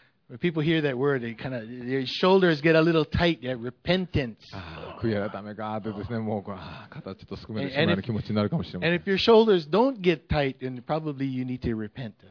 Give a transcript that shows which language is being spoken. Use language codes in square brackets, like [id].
[en] When people hear that word, they kind of, their shoulders get a little tight, yeah, repentance. [ja] ああ、悔い改めかってですね、もう、ああ、肩ちょっとすくめてしまう気持ちになるかもしれません。 [en] And if your shoulders don't get tight, then probably you need to repent.